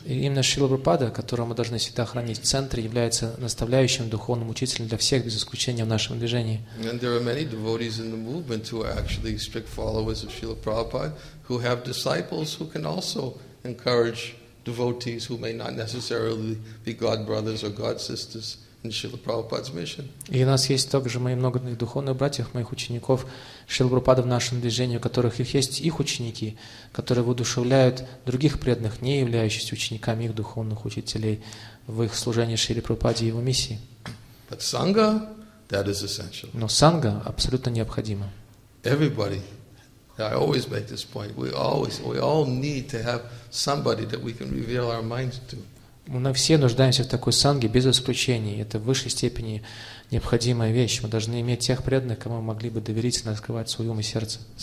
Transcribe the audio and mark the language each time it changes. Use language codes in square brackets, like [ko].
[ru] И именно Шрила Прабхупада, которого мы должны всегда хранить в центре, является наставляющим духовным учителем для всех без исключения в нашем движении. [en] And there are many devotees in the movement who are actually strict followers of Srila Prabhupada, who have disciples who can also encourage devotees who may not necessarily be God brothers or God sisters in Srila Prabhupada's mission. [ru] И у нас есть также мои многих духовных братьев, моих учеников Шрила Прабхупада в нашем движении, у которых есть их ученики, которые воодушевляют других преданных, не являющихся учениками их духовных учителей, в их служении Шриле Прабхупаде и его миссии. [en] But sangha, that is essential. [ru] Но санга абсолютно необходима. [en] Everybody, I always make this point, we all need to have somebody that we can reveal our minds to. [ru] Мы все нуждаемся в такой санге без исключения. Это в высшей степени необходимая вещь. Мы должны иметь тех преданных, кому мы могли бы доверительно открывать свой ум и сердце.